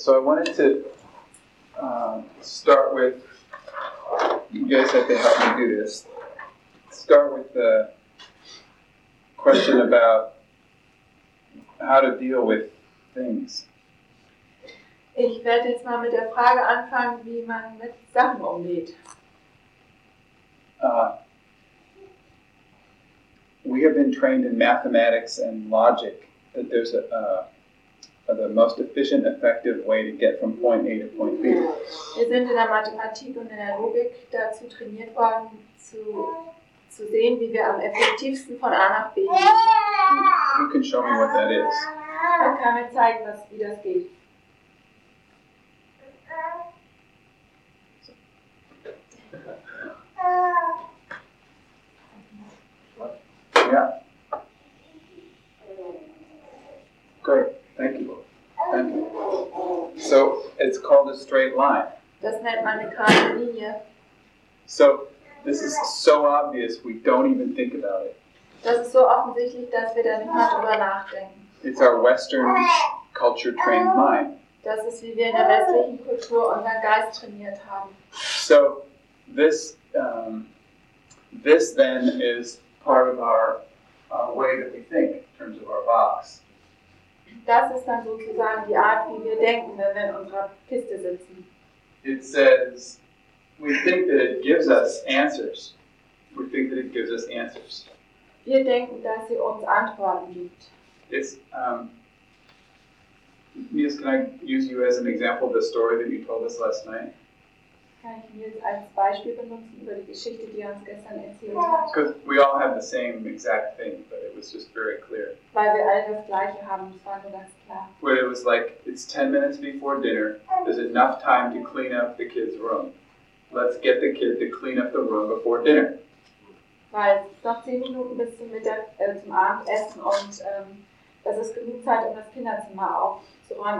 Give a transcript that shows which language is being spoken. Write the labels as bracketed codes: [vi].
[en] So I wanted to start with, you guys have to help me do this. Start with the question about how to deal with things. [de] Ich werde jetzt mal mit der Frage anfangen, wie man mit Sachen umgeht. [en] We have been trained in mathematics and logic that there's the most efficient, effective way to get from point A to point B. [de] Wir sind in der Mathematik und in der Logik dazu trainiert worden, zu sehen, wie wir am effektivsten von A nach B gehen. [en] You can show me what that is. [de] Dann kann mir zeigen, wie das geht. [en] Yeah. Great. Thank you. Thank you. So it's called a straight line. [de] Das nennt man eine gerade Linie. [en] So this is so obvious we don't even think about it. [de] Das ist so offensichtlich, dass wir da nicht mal drüber nachdenken. [en] It's our Western culture trained mind. [de] Das ist, wie wir in der westlichen Kultur unseren Geist trainiert haben. [en] So this this then is part of our way that we think in terms of our box. [de] Das ist dann sozusagen die Art, wie wir denken, wenn wir in unserer Kiste sitzen. [en] It says we think that it gives us answers. We think that it gives us answers. [de] Wir denken, dass sie uns Antworten gibt. [en] It's Mies, can I use you as an example of the story that you told us last night? [de] Kann ich Mies als Beispiel benutzen über die Geschichte, die er uns gestern erzählt hat? [en] Because we all have the same exact thing, but it was just very clear. [de] Weil wir alle das Gleiche haben, es war nur ganz klar. [en] Where it was like, it's 10 minutes before dinner, there's enough time to clean up the kid's room. Let's get the kid to clean up the room before dinner. [de] Weil es ist noch 10 Minuten bis zum Mittag, zum Abendessen und das ist genug Zeit, um das Kinderzimmer aufzuräumen.